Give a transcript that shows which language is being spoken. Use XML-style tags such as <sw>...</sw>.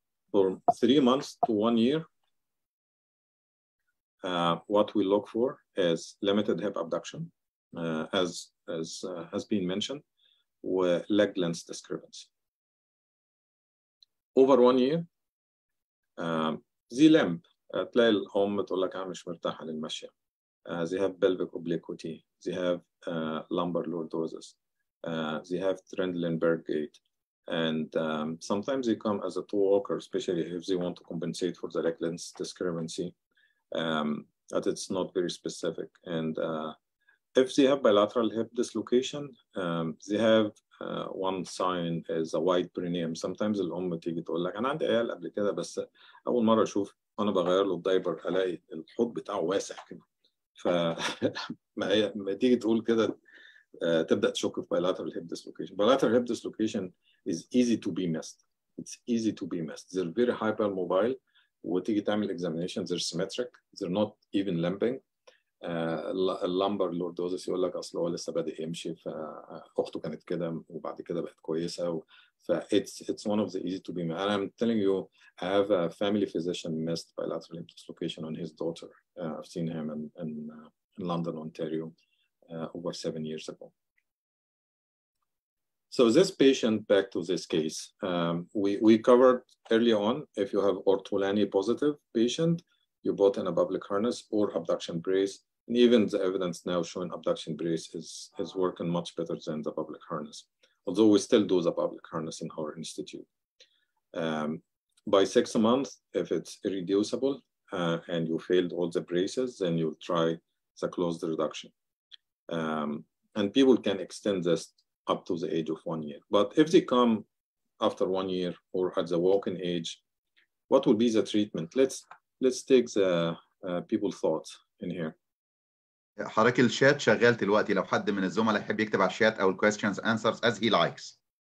<en>For 3 months to 1 year, what we look for is limited hip abduction, as has been mentioned, with leg length discrepancy. Over 1 year, the limp,</en> <ar>تلاقي الأم تقول لك أنا مش مرتاحة للمشي.</ar> <en>They have pelvic obliquity. They have lumbar lordosis. They have Trendelenburg gait. And sometimes they come as a toe walker, especially if they want to compensate for the leg length discrepancy, that it's not very specific. And if they have bilateral hip dislocation, they have one sign is a wide perineum. Sometimes the mom will tell you,</en> <ar>"أنا عندي عيال قبل كده بس أول مرة أشوف أنا بغير له الدايبر ألاقي الحوض بتاعه واسع كده." فما تيجي تقول كده تبدأ تشك في bilateral hip dislocation.</ar> <en>Bilateral hip dislocation is easy to be missed. It's easy to be missed. They're very hypermobile.</en> <ar>وتيجي تعمل</ar> <en>examination, they're symmetric. They're not even limping.</en> <ar>Lumbar lordosis يقول لك أصله لسه بدأ يمشي فأخته كانت كده وبعد كده بقت كويسة.</ar> <en>It's one of the easy to be missed. And I'm telling you, I have a family physician missed bilateral hip dislocation on his daughter. I've seen him in London, Ontario, over 7 years ago. So this patient, back to this case, we covered early on, if you have Ortolani positive patient, you bought in a public harness or abduction brace. And even the evidence now showing abduction brace is working much better than the public harness. Although we still do the public harness in our institute. By 6 months, if it's irreducible, and you failed all the braces, then you'll try the closed reduction. And people can extend this up to the age of 1 year. But if they come after 1 year or at the walking age, what would be the treatment? Let's take the people's thoughts. in here.</en> <ar>حرك الشات شغال دلوقتي لو حد من الزملاء يحب يكتب على الشات او</ar> <en>questions answers as he likes.</en>